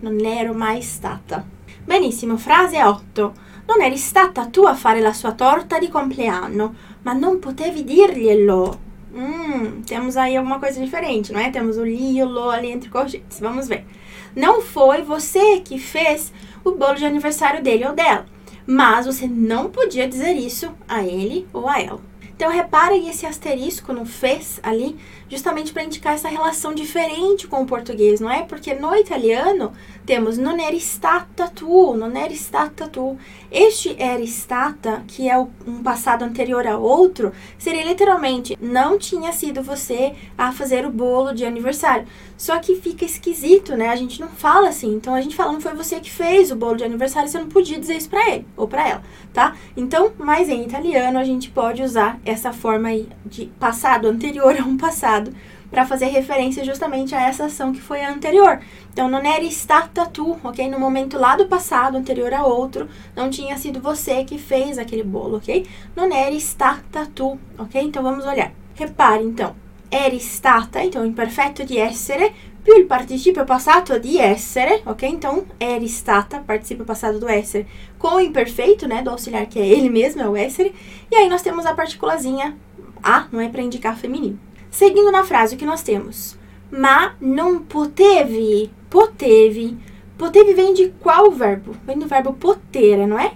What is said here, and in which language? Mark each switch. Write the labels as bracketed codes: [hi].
[it] Non ero mai stata. Benissimo, frase 8. Non eri stata tu a fare la sua torta di compleanno, ma non potevi dirglielo. [pt] Temos aí alguma coisa diferente, não é? Temos o li e o lo ali entre colchetes, vamos ver. Não foi você que fez o bolo de aniversário dele ou dela, mas você não podia dizer isso a ele ou a ela. Então, repare esse asterisco no fez ali, justamente para indicar essa relação diferente com o português, não é? Porque no italiano temos [it] non eri stata tu, non eri stata tu. [pt] Este [it] eri stata, [pt] que é um passado anterior a outro, seria literalmente não tinha sido você a fazer o bolo de aniversário. Só que fica esquisito, né? A gente não fala assim. Então, a gente fala não foi você que fez o bolo de aniversário, você não podia dizer isso para ele ou para ela, tá? Então, mas em italiano a gente pode usar essa forma aí de passado anterior a um passado para fazer referência justamente a essa ação que foi a anterior. [it] Então, non eri stata tu, ok? [pt] No momento lá do passado, anterior a outro, não tinha sido você que fez aquele bolo, ok? [it] Non eri stata tu, [pt] ok? Então, vamos olhar. Repare, então. [it] Eri stata, [pt] então, imperfeito de [it] essere, più il participio passato di essere, ok? [pt] Então, eri stata, participio passato do essere, com o imperfeito, né, do auxiliar, que é ele mesmo, é o essere. E aí, nós temos a partículazinha A, não é para indicar feminino. Seguindo na frase, o que nós temos? [it] Ma non potevi, potevi. [pt] Potevi vem de qual verbo? Vem do verbo potere, não é?